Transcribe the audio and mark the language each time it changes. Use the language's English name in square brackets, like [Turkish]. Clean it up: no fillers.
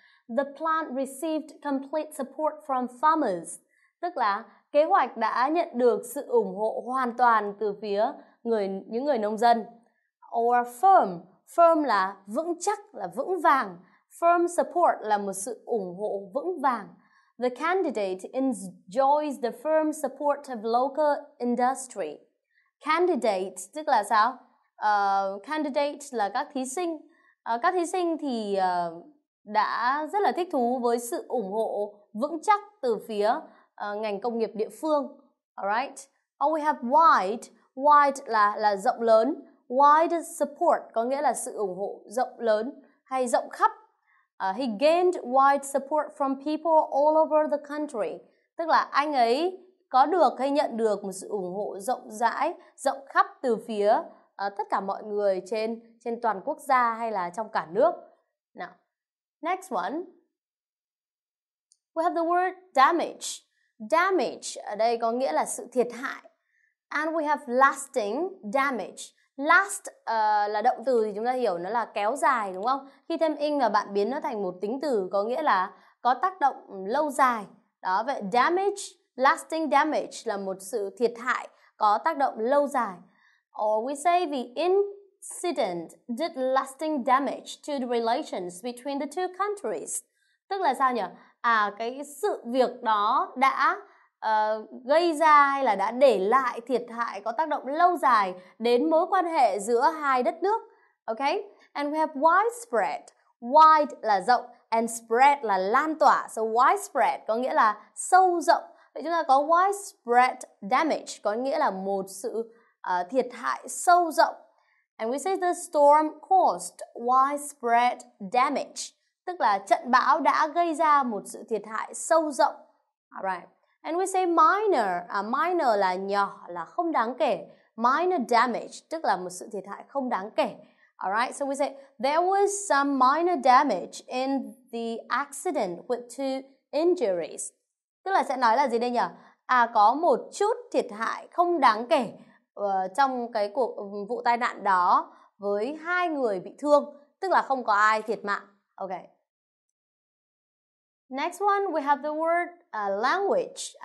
[English] The plant received complete support from farmers. [Vietnamese] Tức là kế hoạch đã nhận được sự ủng hộ hoàn toàn từ phía những người nông dân. [English] Or firm. [Vietnamese] Firm là vững chắc, là vững vàng. Firm support là một sự ủng hộ vững vàng. [English] The candidate enjoys the firm support of local industry. [Vietnamese] Candidate tức là sao? Candidate là các thí sinh. Các thí sinh thì đã rất là thích thú với sự ủng hộ vững chắc từ phía ngành công nghiệp địa phương. [English] Alright. Oh, we have wide. [Vietnamese] Wide là rộng lớn. Wide support có nghĩa là sự ủng hộ rộng lớn hay rộng khắp. [English] He gained wide support from people all over the country. [Vietnamese] Tức là anh ấy có được hay nhận được một sự ủng hộ rộng rãi, rộng khắp từ phía tất cả mọi người trên toàn quốc gia hay là trong cả nước. [English] Now, next one. We have the word damage. [Vietnamese] Damage ở đây có nghĩa là sự thiệt hại. [English] And we have lasting damage. [Vietnamese] Last là động từ thì chúng ta hiểu nó là kéo dài, đúng không? Khi thêm ing là bạn biến nó thành một tính từ có nghĩa là có tác động lâu dài. Đó, vậy damage, lasting damage là một sự thiệt hại có tác động lâu dài. [English] Or we say the incident did lasting damage to the relations between the two countries. [Vietnamese] Tức là sao nhỉ? À, cái sự việc đó đã gây ra hay là đã để lại thiệt hại có tác động lâu dài đến mối quan hệ giữa hai đất nước. [English] Okay? And we have widespread. [Vietnamese] Wide là rộng and spread là lan tỏa. So widespread có nghĩa là sâu rộng. Vậy chúng ta có widespread damage có nghĩa là một sự thiệt hại sâu rộng. [English] And we say the storm caused widespread damage. [Vietnamese] Tức là trận bão đã gây ra một sự thiệt hại sâu rộng. [English] All right. And we say minor. [Vietnamese] Minor là nhỏ, là không đáng kể. Minor damage, tức là một sự thiệt hại không đáng kể. [English] All right, so we say there was some minor damage in the accident with two injuries. [Vietnamese] Tức là sẽ nói là gì đây nhỉ? À, có một chút thiệt hại không đáng kể trong cái cuộc vụ tai nạn đó với hai người bị thương, tức là không có ai thiệt mạng. [English] Okay. Next one, we have the word language.